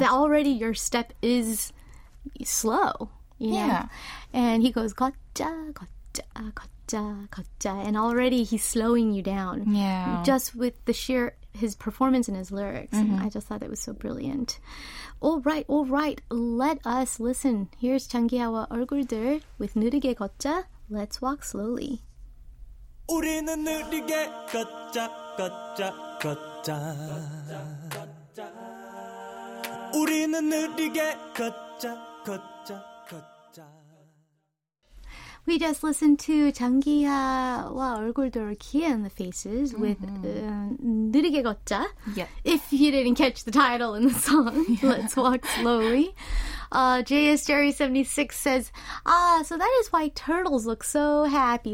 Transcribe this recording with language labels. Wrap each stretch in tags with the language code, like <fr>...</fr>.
<en>Already your step is slow. Yeah. And he goes, gotcha, gotcha, gotcha, gotcha. And already he's slowing you down. Yeah. Just with the sheer, his performance and his lyrics. Mm-hmm. I just thought that was so brilliant. All right, all right. Let us listen. Here's 장기하와 얼굴들 with 느리게 걷자. Let's walk slowly.</en> <ko>우리는 느리게 걷자, 걷자, 걷자. 우리는 느리게 걷자, 걷자, 걷자.</ko> <en>We just listened to 장기하와 얼굴들, Kia and the Faces, with 느리게 걷자. Yeah. If you didn't catch the title in the song, Let's Walk Slowly. JS Jerry 76 says, ah, so that is why turtles look so happy.</en>